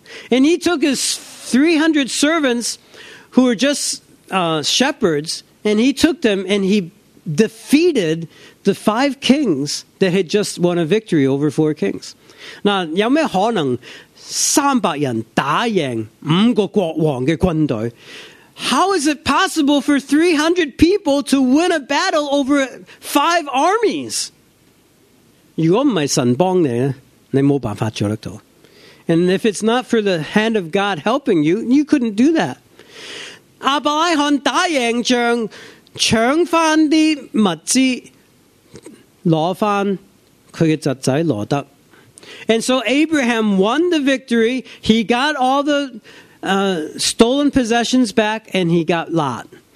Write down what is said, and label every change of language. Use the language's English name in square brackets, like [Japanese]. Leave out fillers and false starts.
[English] And he took his 300 servants who were just shepherds, and he took them and he defeated the five kings that had just won a victory over four kings. [Cantonese] Now, 有没可能300人打赢5个国王的军队? [English] How is it possible for 300 people to win a battle over five armies? [Cantonese] 如果不是神帮你，你冇办法做得到。 [English] And if it's not for the hand of God helping you, you couldn't do that. [Cantonese] 阿伯拉罕打赢仗， 搶回物資，拿回他的兒子羅德。 [English] And so Abraham won the victory. He got all the stolen possessions back, and he got Lot.